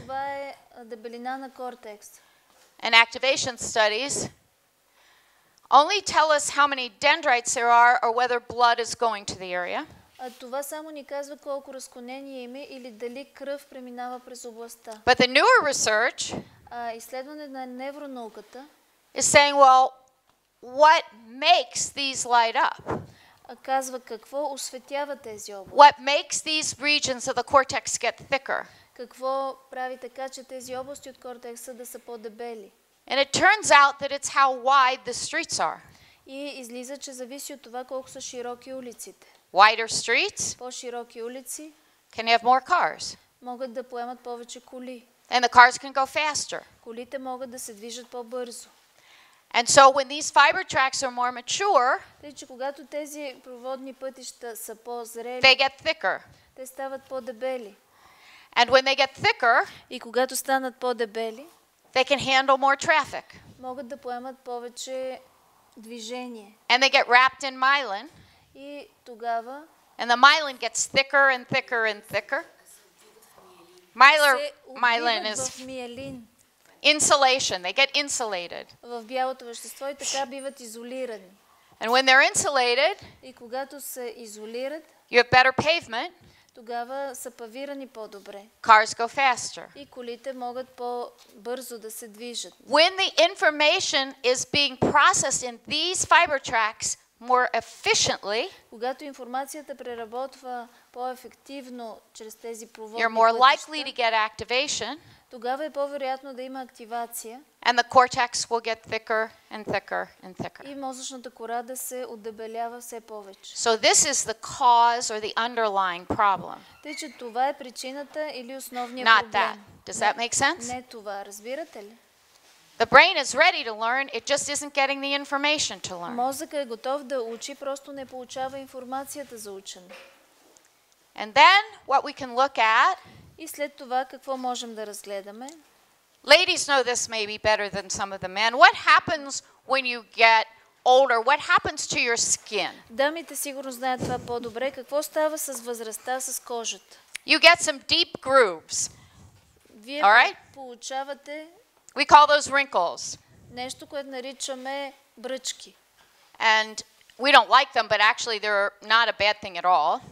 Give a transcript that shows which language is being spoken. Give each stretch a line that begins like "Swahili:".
Bulgarian: Това е дебелина на кортекс.
English: And activation studies only tell us how many dendrites there are or whether blood is going to the area.
Bulgarian: А това само ни казва колко разклонения има или дали кръв преминава през областта.
English: But the newer research,
Bulgarian: изследване на невронауката,
English: is saying, well, what makes these light up?
Bulgarian: Казва какво осветява тези области.
English: What makes these regions of the cortex get thicker?
Bulgarian: Какво прави така, че тези области от кортекса да са по-дебели?
English: And it turns out that it's how wide the streets are.
Bulgarian: И излиза, че зависи от това колко са широки улиците.
English: Wider streets?
Bulgarian: По-широки улици?
English: Can have more cars?
Bulgarian: Могат да поемат повече коли.
English: And the cars can go faster.
Bulgarian: Колите могат да се движат по-бързо.
English: And so when these fiber tracks are more mature,
Bulgarian: тъй че когато тези проводни пътища са по-зрели,
English: they get thicker.
Bulgarian: Те стават по-дебели.
English: And when they get thicker,
Bulgarian: и когато станат по-дебели,
English: they can handle more traffic.
Bulgarian: Могат да поемат повече движение.
English: And they get wrapped in myelin.
Bulgarian: И тогава,
English: and the myelin gets thicker and thicker and thicker. Myelin is
Bulgarian: миелин.
English: Insulation, they get insulated.
Bulgarian: В бялото вещество и така биват изолирани.
English: And when they're insulated,
Bulgarian: и когато се изолират,
English: you have better pavement.
Bulgarian: Тогава са павирани по-добре.
English: Cars go faster.
Bulgarian: И колите могат по-бързо да се движат.
English: When the information is being processed in these fiber tracks more efficiently,
Bulgarian: когато информацията преработва по-ефективно чрез тези проводни,
English: you're more likely to get activation.
Bulgarian: Тогава е по-вероятно да има активация.
English: And the cortex will get thicker and thicker and thicker.
Bulgarian: И мозъчната кора да се отдебелява все повече.
English: So this is the cause or the underlying problem.
Bulgarian: Тъй че това е причината или основният
English: Not
Bulgarian: проблем.
English: That. Does that make sense?
Bulgarian: Не това, разбирате ли?
English: The brain is ready to learn, it just isn't getting the information to learn.
Bulgarian: Мозъкът е готов да учи, просто не получава информацията за учене.
English: And then what we can look at,
Bulgarian: и след това какво можем да разгледаме?
English: Ladies know this maybe better than some of the men. What happens when you get older? What happens to your skin?
Bulgarian: Дамите сигурно знаят това по-добре. Какво става с възрастта, с кожата?
English: You get some deep grooves.
Bulgarian: Вие получавате.
English: We call those wrinkles.
Bulgarian: Нещо, което наричаме бръчки.
English: And we don't like them, but actually they're not a bad thing at all.